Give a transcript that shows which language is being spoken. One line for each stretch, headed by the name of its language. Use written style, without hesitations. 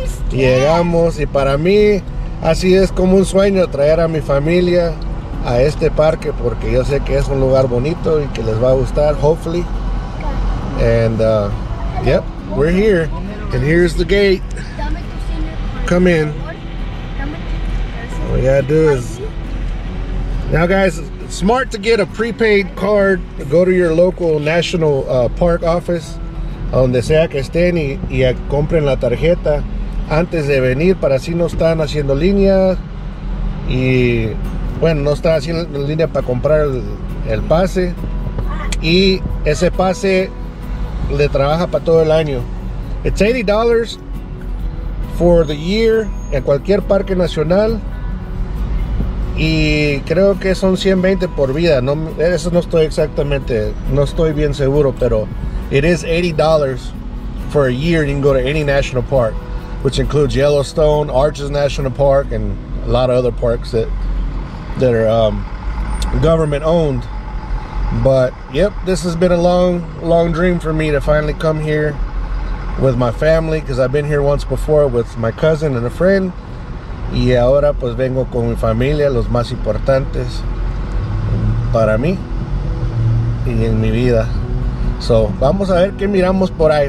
Spanish: Llegamos, y para mí así es como un sueño traer a mi familia a este parque, porque yo sé que es un lugar bonito y que les va a gustar,
English: hopefully. And yep, we're here, and here's the gate. Come in. All we gotta do is now, guys, smart to get a prepaid card to go to your local national park office,
Spanish: donde sea que estén, y compren la tarjeta antes de venir, para así no están haciendo línea, y bueno, no están haciendo línea para comprar el pase, y ese pase le trabaja para todo el año.
English: It's $80 for the year
Spanish: en cualquier parque nacional, y creo que son $120 por vida. No, eso no estoy exactamente, no estoy bien seguro, pero
English: it is $80 for a year. You can go to any national park, which includes Yellowstone, Arches National Park, and a lot of other parks that are government owned. But yep, this has been a long dream for me to finally come here with my family, because I've been here once before with my cousin and a friend.
Spanish: Y ahora pues vengo con mi familia, los más importantes para mí y en mi vida. So, vamos a ver qué miramos por ahí.